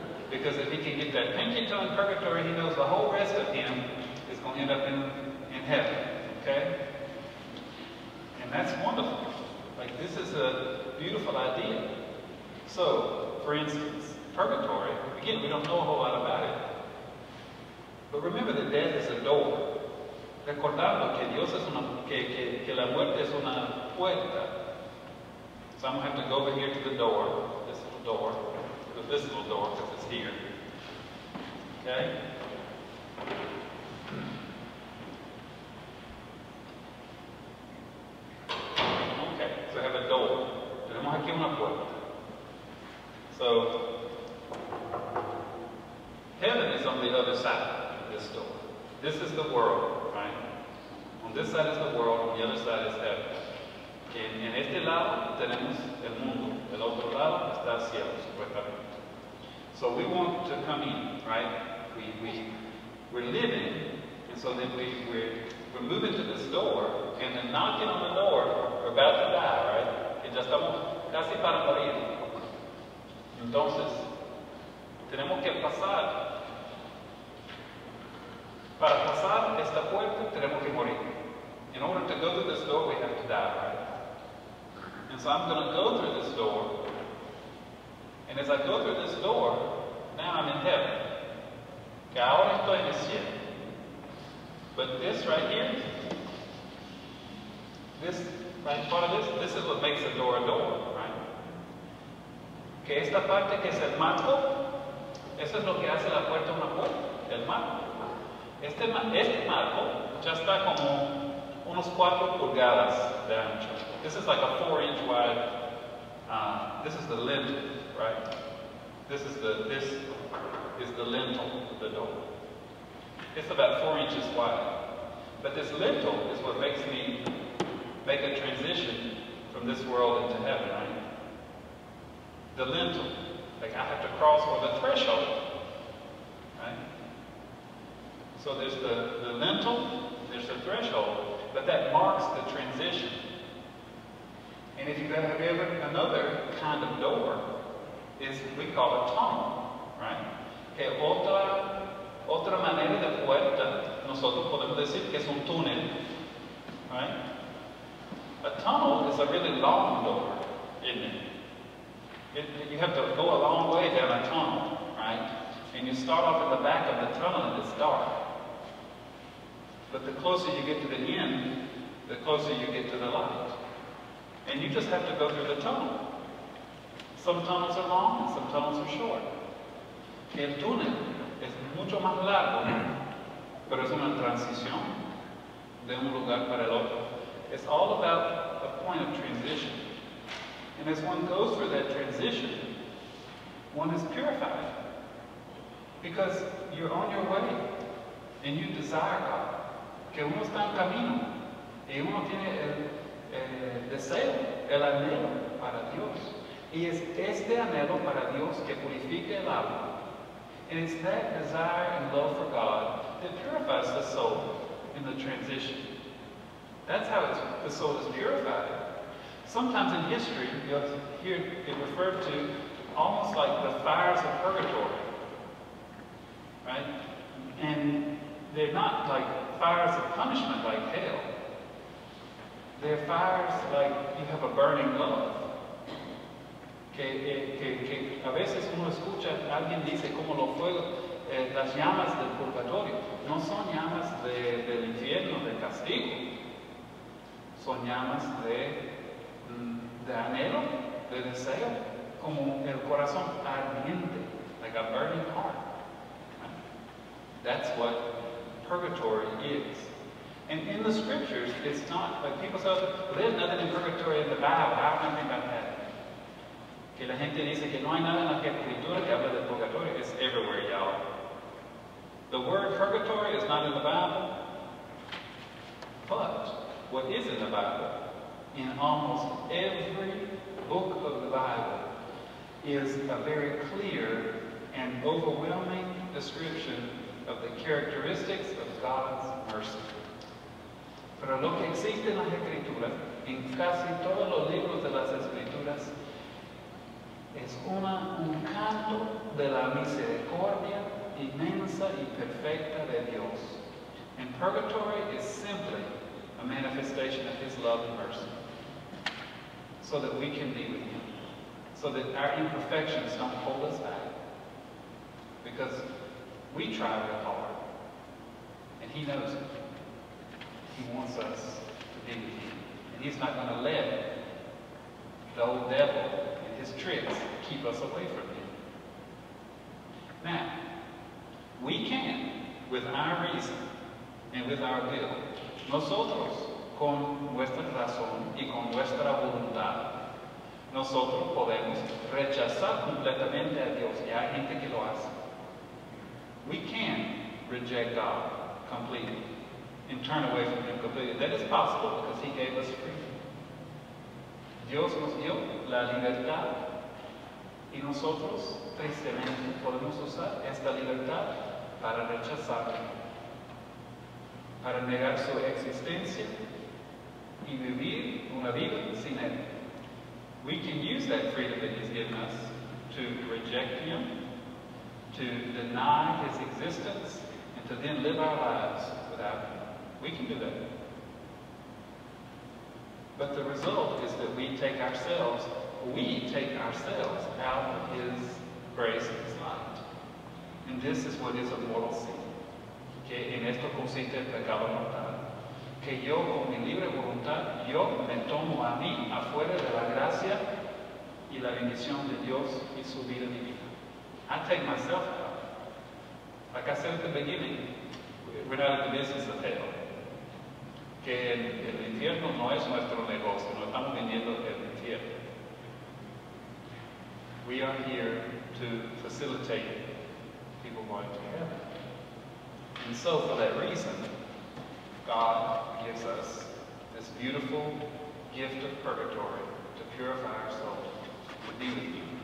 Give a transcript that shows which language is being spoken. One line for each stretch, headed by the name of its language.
English: Because if he can get that pinky toe in purgatory, he knows the whole rest of him is going to end up in heaven. Okay? And that's wonderful. Like, this is a beautiful idea. So, for instance, purgatory, again, we don't know a whole lot about it. But remember that death is a door.
Spanish: Recordando que Dios es una, que la muerte es una puerta.
English: So I'm going to have to go over here to the door, this little door, the physical door, because it's here. Okay? Okay, so I have a door.
Spanish: Tenemos aquí una puerta.
English: So, heaven is on the other side of this door. This is the world, right? On this side is the world, on the other side is heaven.
Spanish: En este lado tenemos el mundo, el otro lado está cielo, supuestamente.
English: So we want to come in, right? We're living, and so then we're moving to this door, and then knocking on the door, we're about to die, right?
Spanish: Y ya estamos casi para morir. Entonces, tenemos que pasar. Para pasar esta puerta, tenemos que morir.
English: In order to go through this door, we have to die, right? And so I'm going to go through this door. And as I go through this door, now I'm in heaven. not doing this yet. But this right here, this right part of this, this is what makes a door, right?
Spanish: Que esta parte que es el marco, eso es lo que hace la puerta una puerta, el marco. Este marco ya está como unos 4 pulgadas de ancho.
English: This is like a 4-inch wide. This is the lintel, right? This is the lintel of the door. It's about 4 inches wide. But this lintel is what makes me make a transition from this world into heaven, right? The lintel. Like I have to cross over the threshold. Right? So there's the lintel, there's the threshold, but that marks the transition. And if you have ever another kind of door, is we call a tunnel, right?
Spanish: Que otra manera de puerta, nosotros podemos decir que es un túnel, right?
English: A tunnel is a really long door, isn't it? You have to go a long way down a tunnel, right? And you start off at the back of the tunnel and it's dark. But the closer you get to the end, the closer you get to the light. And you just have to go through the tunnel. Some tunnels are long and some tunnels are short.
Spanish: El túnel es mucho más largo, pero es una transición de un lugar para el otro.
English: It's all about a point of transition. And as one goes through that transition, one is purified. Because you're on your way, and you desire God.
Spanish: Que uno está en camino, y uno tiene el deseo, el anhelo para Dios. Y es este anhelo para Dios que purifica el alma.
English: And it's that desire and love for God that purifies the soul in the transition. That's how the soul is purified. Sometimes in history, you'll hear it referred to almost like the fires of purgatory. Right? And they're not like fires of punishment like hell. They're fires like you have a burning love.
Spanish: Que a veces uno escucha, alguien dice como los fuegos, las llamas del purgatorio, no son llamas del infierno, de castigo, son llamas de anhelo, de deseo, como el corazón ardiente,
English: like a burning heart. That's what purgatory is. And in the scriptures, it's not, like people say, well, there's nothing in purgatory in the Bible, how can I think about that?
Spanish: Que la gente dice que no hay nada en la escritura que habla del purgatorio.
English: It's everywhere, y'all. The word purgatory is not in the Bible, but what is in the Bible, in almost every book of the Bible, is a very clear and overwhelming description of the characteristics of God's mercy.
Spanish: Pero lo que existe en las escrituras, en casi todos los libros de las escrituras, es un canto de la misericordia inmensa y perfecta de Dios.
English: And purgatory is simply a manifestation of His love and mercy. So that we can be with Him. So that our imperfections don't hold us back. Because we try real hard. And He knows it. He wants us to be with Him. And He's not going to let the old devil His tricks keep us away from Him. Now, we can, with our reason and with our will,
Spanish: nosotros, con nuestra razón y con nuestra voluntad, nosotros podemos rechazar completamente a Dios. Y hay gente que lo hace.
English: We can reject God completely and turn away from Him completely. That is possible because He gave us freedom.
Spanish: Dios nos dio la libertad y nosotros, tristemente, podemos usar esta libertad para rechazarlo, para negar su existencia y vivir una vida sin él.
English: We can use that freedom that He's given us to reject Him, to deny His existence, and to then live our lives without Him. We can do that. But the result is that we take ourselves out of His grace and His light. And this is what is a mortal sin.
Spanish: que en esto consiste el pecado mortal, que yo con mi libre voluntad, yo me tomo a mí afuera de la gracia y la bendición de Dios y su vida divina.
English: I take myself out. Like I said at the beginning, we're not in the business of hell.
Spanish: Que el infierno no es nuestro negocio, no estamos vendiendo el infierno.
English: We are here to facilitate people going to heaven. And so for that reason, God gives us this beautiful gift of purgatory to purify our soul, to be with you.